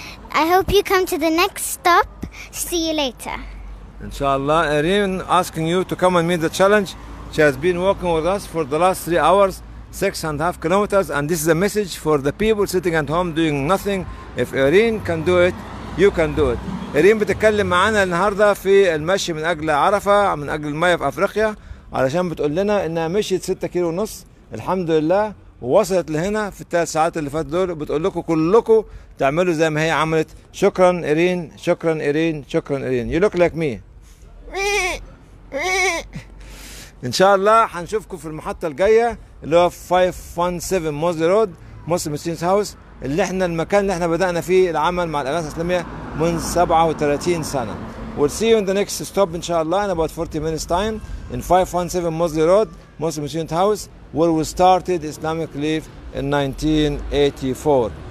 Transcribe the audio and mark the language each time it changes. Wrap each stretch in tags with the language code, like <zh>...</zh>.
<en>I hope you come to the next stop. See you later. Inshallah, Irene asking you to come and meet the challenge. She has been walking with us for the last 3 hours, 6.5 kilometers. And this is a message for the people sitting at home doing nothing. If Irene can do it, you can do it.</en> <ar>إيرين بتتكلم معنا النهاردة في المشي من أجل عرفة، من أجل المية في أفريقيا، علشان بتقول لنا إنها مشيت 6.5 كيلو الحمد لله، ووصلت لهنا في 3 ساعات اللي فاتت دول. بتقول لكم كلكم تعملوا زي ما هي عملت. شكرا إيرين، شكرا إيرين، شكرا إيرين.</ar> <en>You look like me.</en> <ar>إن شاء الله هنشوفكم في المحطة الجاية اللي هو 517 موزلي رود مسلم ستينز هاوس، اللي احنا المكان اللي احنا بدأنا فيه العمل مع الأغاثة الإسلامية من 37 سنة.</ar> <en>We'll see you in the next stop inshallah in about 40 minutes time in 517 Mosley Road, Muslim Student House, where we started Islamic Leaf in 1984.</en>